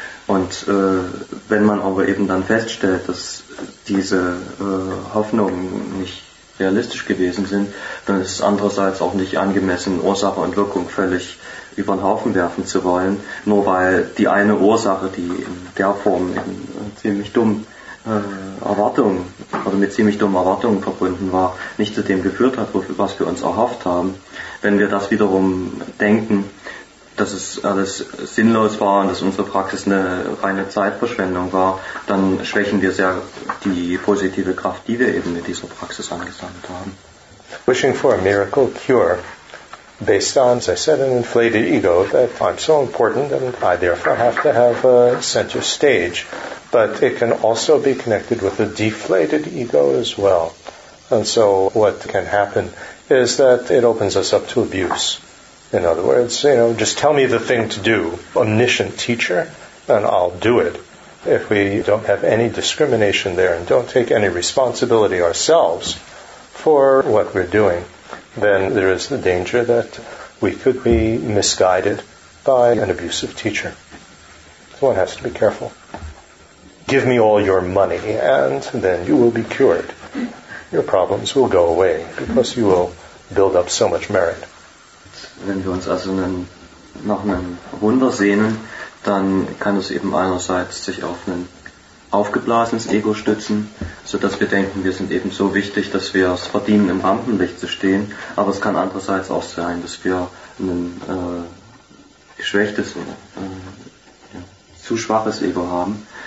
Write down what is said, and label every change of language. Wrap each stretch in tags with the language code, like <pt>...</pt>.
<de>Und wenn man aber eben dann feststellt, dass diese Hoffnungen nicht realistisch gewesen sind, dann ist es andererseits auch nicht angemessen, Ursache und Wirkung völlig über den Haufen werfen zu wollen, nur weil die eine Ursache, die in der Form eben ziemlich dumm Erwartungen oder mit ziemlich dummen Erwartungen verbunden war, nicht zu dem geführt hat, was wir uns erhofft haben. Wenn wir das wiederum denken, dass es alles sinnlos war und dass unsere Praxis eine reine Zeitverschwendung war, dann schwächen wir sehr die positive Kraft, die wir eben mit dieser Praxis angesammelt haben.</de> <en>Wishing for a miracle cure based on, as I said, an inflated ego that I'm so important and I therefore have to have a center stage. But it can also be connected with a deflated ego as well. And so what can happen is that it opens us up to abuse. In other words, you know, just tell me the thing to do, omniscient teacher, and I'll do it. If we don't have any discrimination there and don't take any responsibility ourselves for what we're doing, then there is the danger that we could be misguided by an abusive teacher. So one has to be careful. Give me all your money, and then you will be cured. Your problems will go away, because you will build up so much merit.</en> <de>Wenn wir uns also nach einem Wunder sehnen, dann kann es eben einerseits sich auf ein aufgeblasenes Ego stützen, sodass wir denken, wir sind eben so wichtig, dass wir es verdienen, im Rampenlicht zu stehen. Aber es kann andererseits auch sein, dass wir ein geschwächtes oder zu schwaches Ego haben.</de>